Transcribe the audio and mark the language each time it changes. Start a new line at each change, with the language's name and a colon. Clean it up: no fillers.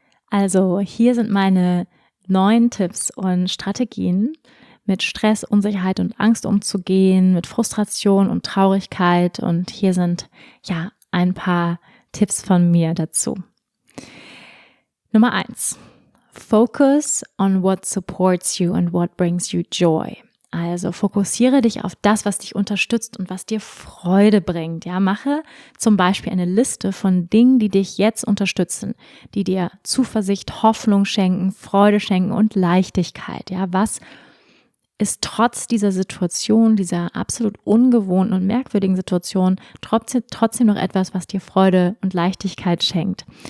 German: Also hier sind meine 9 Tipps und Strategien, mit Stress, Unsicherheit und Angst umzugehen, mit Frustration und Traurigkeit. Und hier sind ja ein paar Tipps von mir dazu. Nummer 1.
English: Focus on what supports you and what brings you joy.
German: Also fokussiere dich auf das, was dich unterstützt und was dir Freude bringt. Ja, mache zum Beispiel eine Liste von Dingen, die dich jetzt unterstützen, die dir Zuversicht, Hoffnung schenken, Freude schenken und Leichtigkeit. Ja, was ist trotz dieser Situation, dieser absolut ungewohnten und merkwürdigen Situation, trotzdem noch etwas, was dir Freude und Leichtigkeit schenkt?